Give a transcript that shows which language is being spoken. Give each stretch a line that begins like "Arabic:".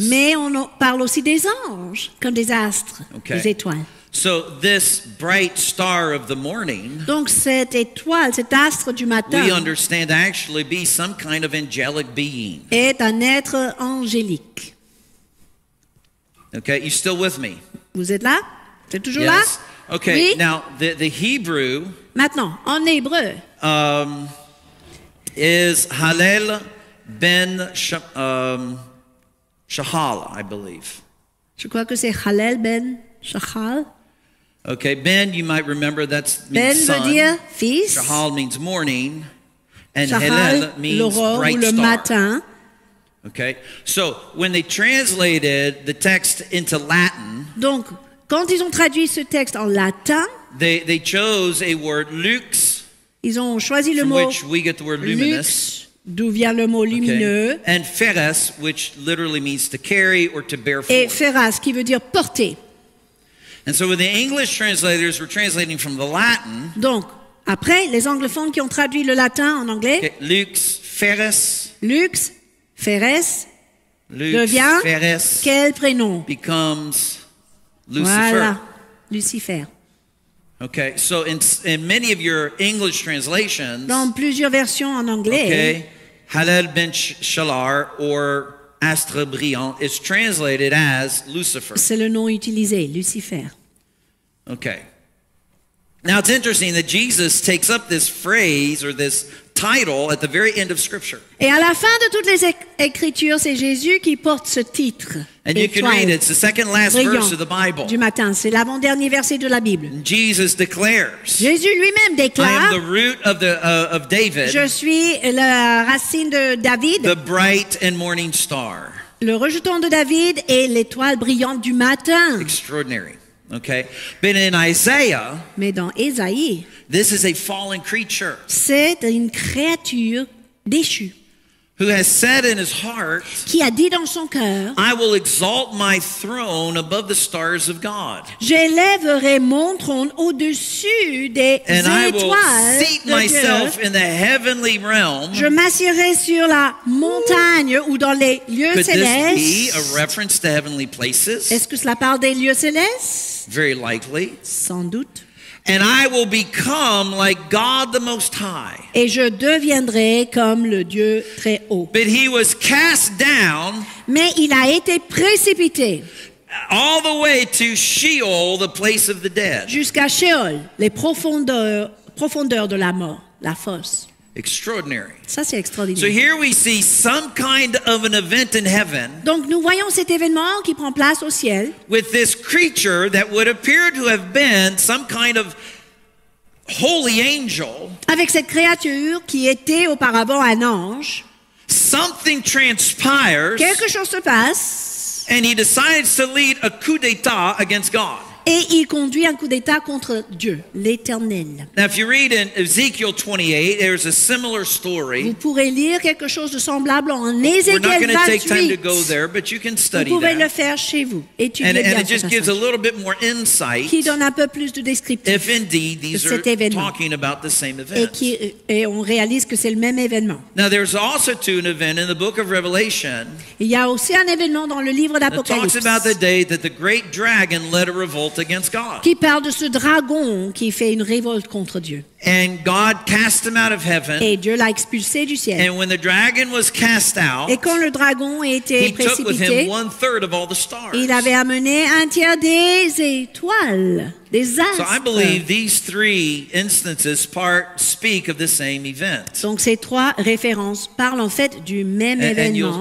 French: Mais on parle aussi des anges, comme des astres, okay. Des étoiles.
English: So this bright star of the morning,
French: donc cette étoile, cet astre du matin,
English: we understand actually be some kind of angelic being.
French: Est un être angélique.
English: Okay, you still with me?
French: Vous êtes là? Vous êtes toujours
English: yes.
French: Là? Okay, oui?
English: Now the Hebrew,
French: maintenant, en hébreu,
English: is Hallel ben Shahal, I believe.
French: Je crois que c'est Hallel ben Shahal.
English: Okay, Ben, you might remember that
French: ben
English: means son.
French: Ben veut dire fils.
English: Shahal means morning. And
French: Shahal,
English: Hallel means bright
French: le
English: star.
French: Matin.
English: Okay, so when they translated the text into Latin.
French: Donc, quand ils ont traduit ce texte en latin.
English: They chose a word lux.
French: Ils ont choisi le
English: from
French: mot
English: which we get the word luminous,
French: d'où vient le mot lumineux. Okay.
English: And feras, which literally means to carry or to bear forth.
French: Et feras, qui veut dire porter.
English: And so when the English translators were translating from the Latin.
French: Donc, après, les anglophones qui ont traduit le latin en anglais. Okay.
Latin: Lux, feras,
French: devient
Latin: feras
French: quel prénom?
English: Becomes Lucifer.
French: Voilà, Lucifer.
English: Okay, so in many of your English translations,
French: dans plusieurs versions en anglais,
English: okay, Hallel ben Shalar or
French: Astre Brillant
English: is translated as Lucifer.
French: C'est le nom utilisé, Lucifer. Okay.
English: Now it's interesting that Jesus takes up this phrase or this title at the very end of Scripture.
French: Et à la fin de toutes les Écritures, c'est Jésus qui porte ce titre.
English: And you can read it. It's the second last verse of the Bible.
French: Du matin, c'est l'avant-dernier verset de la Bible.
English: Jesus declares.
French: Jésus lui-même déclare.
English: I am the root of of David.
French: Je suis la racine de David.
English: The bright and morning star.
French: Le rejeton de David et l'étoile brillante du matin.
English: Extraordinary. Okay, but in Isaiah,
French: mais dans Ésaïe,
English: this is a fallen creature.
French: C'est une créature déchue.
English: who has said in his heart,
French: qui a dit dans son cœur,
English: I will exalt my throne above the stars of God.
French: J'élèverai mon trône au-dessus des
English: and
French: étoiles
English: I will seat myself
French: Dieu.
English: In the heavenly realm.
French: Je m'assierai sur la montagne ou dans les lieux
English: Could
French: célestes.
English: This be a reference to heavenly places?
French: Est-ce que cela parle des lieux célestes?
English: Very likely.
French: Sans doute.
English: And I will become like God the Most High.
French: Et je deviendrai comme le Dieu très haut.
English: But he was cast down.
French: Mais il a été précipité.
English: All the way to Sheol, the place of the dead.
French: Jusqu'à Sheol, les profondeurs de la mort, la fosse.
English: Extraordinary.
French: Ça, c'est extraordinaire.
English: So here we see some kind of an event in heaven.
French: Donc nous voyons cet événement qui prend place au ciel.
English: With this creature that would appear to have been some kind of holy angel.
French: Avec cette créature qui était auparavant un ange.
English: Something transpires.
French: Quelque chose se passe.
English: And he decides to lead a coup d'état against God.
French: Et il conduit un coup d'état contre Dieu, l'Éternel.
English: Now, if you read in Ezekiel 28, there's a similar story.
French: Vous pourrez lire quelque chose de semblable en Ézéchiel 28.
English: We're not going to take time to go there, but you can study
French: vous pouvez
English: that.
French: Le faire chez vous. Étudiez
English: and,
French: bien
English: and it just gives a little bit more insight.
French: Qui donne un peu plus de descriptif.
English: If indeed these
French: de cet
English: are
French: événement.
English: Talking about the same event.
French: Et on réalise que c'est le même événement.
English: Now, there's also too an event in the book of Revelation.
French: Il y a aussi un événement dans le livre d'Apocalypse.
English: It talks about the day that the great dragon led a revolt against God.
French: Qui parle de ce dragon qui fait une révolte contre Dieu.
English: And God cast him out of heaven.
French: Et Dieu l'a expulsé du ciel.
English: And when the dragon was cast out,
French: et quand le dragon était
English: he took with him one third of all the stars.
French: Il avait amené un tiers des étoiles, des astres.
English: So I believe these three instances part speak of the same event.
French: Donc ces trois références parlent en fait du même événement.